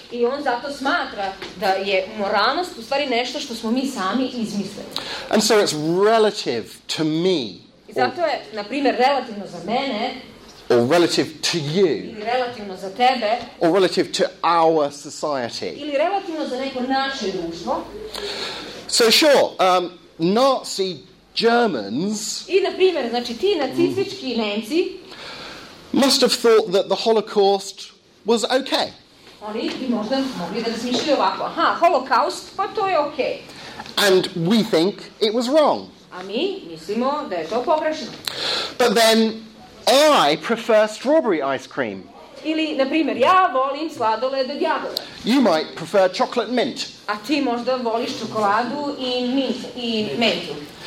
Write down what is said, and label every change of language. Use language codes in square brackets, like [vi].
[sr] I on zato smatra da je moralnost u stvari nešto što smo mi sami izmislili. [en] And so it's relative to me. [sr] I zato je, na primjer, relativno za mene. [en] Or relative to you. [sr] Ili relativno za tebe. [en] Or relative to our society. [sr] Ili relativno za neko naše društvo. [en] So sure, Nazi Germans. [sr] I na primjer, znači ti nacistički Nemci. [en] Must have thought that the Holocaust was okay. [sr] Oni bi možda mogli da razmišljaju ovako. Aha, Holocaust, pa to je okay. [en] And we think it was wrong. [sr] A mi mislimo da je to pogrešno. [en] But then I prefer strawberry ice cream. [sr] Ili, na primjer, ja volim sladoled od jagoda. [en] You might prefer chocolate mint. [sr] A ti možda voliš čokoladu I mint I mentu.